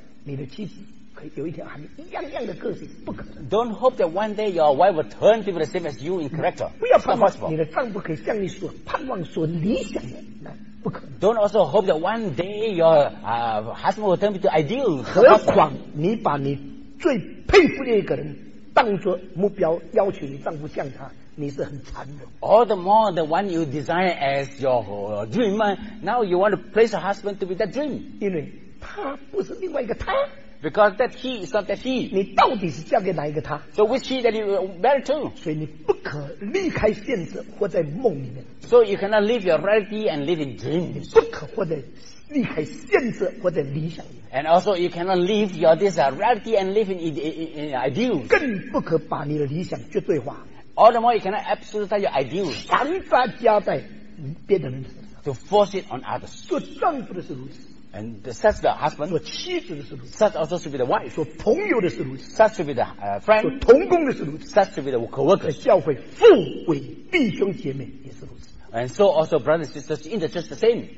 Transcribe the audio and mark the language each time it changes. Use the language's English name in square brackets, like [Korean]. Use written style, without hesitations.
[Chinese] 你的妻子可以有一天和你一样样的个性，不可能。 [English] Don't hope that one day your wife will turn to be the same as you in character. [Chinese] 不要盼望你的丈夫可以像你所盼望、所理想的，那不可能。 [English] Don't also hope that one day your husband will turn to be ideal. [Chinese] 何况你把你最佩服的一个人当作目标，要求你丈夫像他。你是很残忍。 [English] All the more the one you design as your dream, now you want to place your husband to be that dream. [Chinese] 因为他不是另外一个他。 [English] Because that he is not that he. [Chinese] 你到底是嫁给哪一个他 [English] ？So which he that you married to? [Chinese] 所以你不可离开现实，活在梦里面。 [English] So you cannot leave your reality and live in dreams. [Chinese] 你不可活在离开现实，活在理想里面。 [English] And also you cannot leave your this reality and live in ideals. [Chinese] 更不可把你的理想绝对化。 [English] All the more, you cannot absolutize your ideals. [Chinese] 强加加在别人身上。 [English] To force it on others. [Chinese] 做丈夫的是如此。 [English] And such the husband. [Chinese] 做妻子的是如此。 [English] Such also should be the wife. [Chinese] 做朋友的是如此。 [English] Such should be the friend. [Chinese] 做同工的是如此。 [English] Such should be the co-worker. [Chinese] 教会父为弟兄姐妹也是如此。 [English] And so also brothers and sisters in the church the same.